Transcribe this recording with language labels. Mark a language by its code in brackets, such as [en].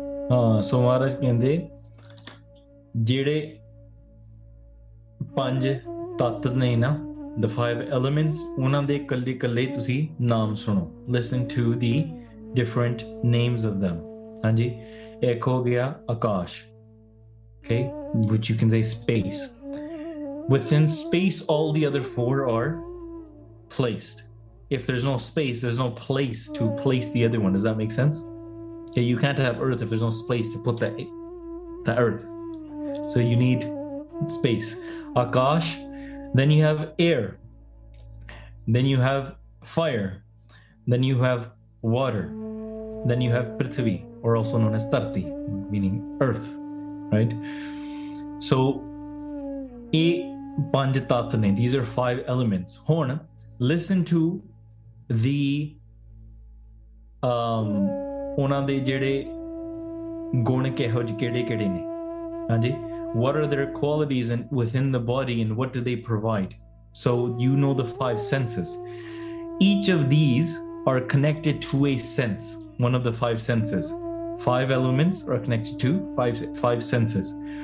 [pa] ਹਾਂ, ਸੋ ਮਹਾਰਾਜ ਕਹਿੰਦੇ ਜਿਹੜੇ ਪੰਜ ਤੱਤ ਨੇ ਨਾ, [en] the five elements, [pa] ਉਹਨਾਂ ਦੇ ਇਕੱਲੇ ਇਕੱਲੇ ਤੁਸੀਂ ਨਾਮ ਸੁਣੋ, [en] Listen to the different names of them. [pa] ਹਾਂਜੀ, ਇੱਕ ਹੋ ਗਿਆ ਆਕਾਸ਼, [en] Okay, which you can say space, within space all the other four are placed, if there is no space there is no place to place the other one, does that make sense? Okay, you can't have earth if there's no space to put that earth. So you need space. Akash, then you have air. Then you have fire. Then you have water. Then you have prithvi, or also known as tarti, meaning earth, right? So [pa] e panch tatt ne, [en] these are five elements. Horn, listen to the [pa] ਉਹਨਾਂ ਦੇ ਜਿਹੜੇ ਗੁਣ ਕਿਹੋ ਜਿਹੇ ਕਿਹੜੇ ਕਿਹੜੇ ਨੇ। [en] ਹਾਂਜੀ, what are their qualities in within the body and what do they provide, so you know the five senses, each of these are connected to a sense, one of the five senses, five elements are connected to five five senses.